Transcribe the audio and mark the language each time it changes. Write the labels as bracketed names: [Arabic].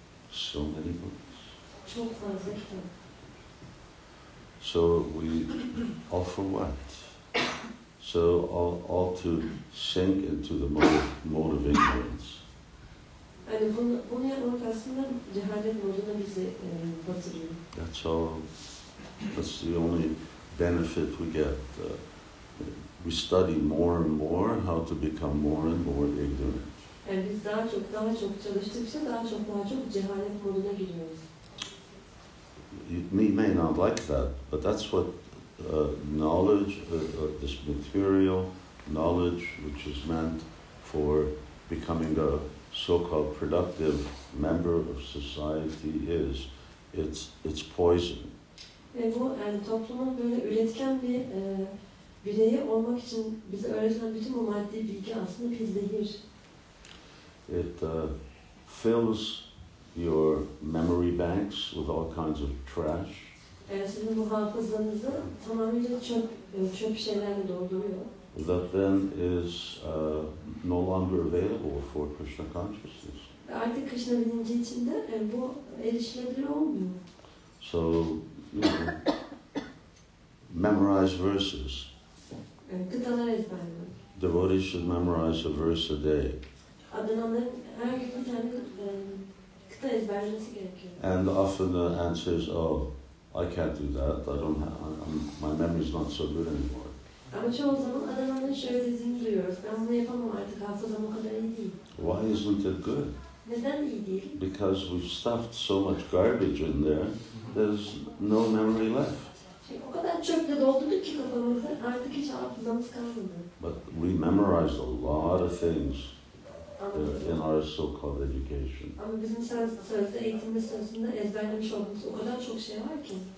[English] So many books. [Turkish] Çok fazla kitap. [English] So we all for what? So all to sink into the mode of ignorance. [Turkish] Yani bunu yapmak aslında cehalet moduna bizi batırıyor. [English] That's all. That's the only benefit we get. We study more and more how to become more and more ignorant. [Turkish] Yani biz daha çok çalıştıkça daha çok cehalet moduna giriyoruz. [English] You may not like that, but that's what knowledge, this material knowledge, which is meant for becoming a so-called productive member of society, is. It's poison. [Turkish] Ve bu toplumun böyle üretken bir bireyi olmak için bize öğretilen bütün bu maddi bilgi aslında bir zehir. [English] It fills your memory banks with all kinds of trash. [Turkish] Sizin bu hafızanızı tamamıyla çöp şeylerle dolduruyor. [English] That then is no longer available for Krishna consciousness. [Turkish] Artık Krishna bilinci içinde bu erişilebilir olmuyor. [English] So, you know, memorize verses. [Turkish] Kıtalar ezberlemek. [English] Devotees should memorize a verse a day. [Turkish] Adınanların her gün bir tane kıta ezberlemesi gerekiyor. [English] And often the answer is, oh, I can't do that. I don't have, my memory is not so good anymore. [Turkish] Ama çoğu zaman adamın şöyle dediğini duyuyoruz. Ben bunu yapamam artık. Hafızam o kadar iyi değil. [English] Why isn't it good? [Turkish] Neden iyi değil? [English] Because we've stuffed so much garbage in there, there's no memory left. [Turkish] O kadar çöple doldurduk ki kafamızı, artık hiç hafızamız kalmadı. [English] But we memorized a lot of things in our so-called education. [Turkish] Ama bizim sözde, eğitimde sözünde ezberlemiş olduğumuz o kadar çok şey var ki.